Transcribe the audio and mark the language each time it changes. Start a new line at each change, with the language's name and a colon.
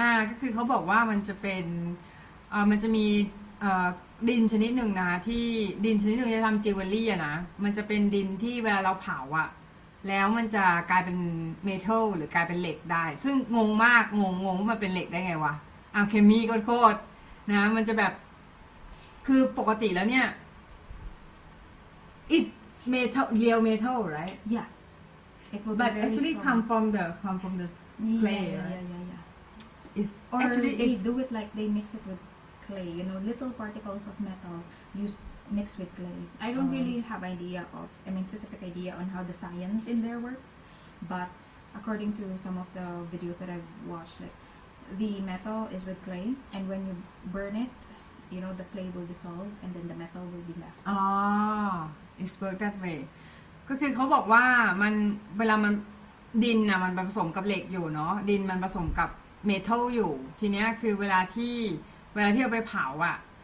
Thai: ก็คือเขาบอกว่ามันจะเป็นมันจะมีดินชนิดหนึ่งนะคะที่ดินชนิดหนึ่งจะทำจิวเวลรี่อะนะมันจะเป็นดินที่เวลาเราเผาอะแล้วมันจะกลายเป็นเมทัลหรือกลายเป็นเหล็กได้ซึ่งงงมากงว่ามันเป็นเหล็กได้ไงวะเอาเคมีโคตรนะมันจะแบบคือปกติแล้วเนี่ย
English: is metal real metal right yeah it will but actually come from the clay yeah. Actually, they do it like they mix it withClay, you know, little particles of metal used mixed with clay. I don't really have specific idea on how the science in there works, but according to some of the videos that I've watched, like the metal is with clay, and when you burn it, you know, the clay will dissolve, and then the metal will be left. It's worked that way.
Thai: ก็คือเขาบอกว่ามันเวลามันดินอะมันผสมกับเหล็กอยู่เนาะดินมันผสมกับเมทัลอยู่ทีเนี้ยคือเวลาที่เอาไปเผาอ่ะ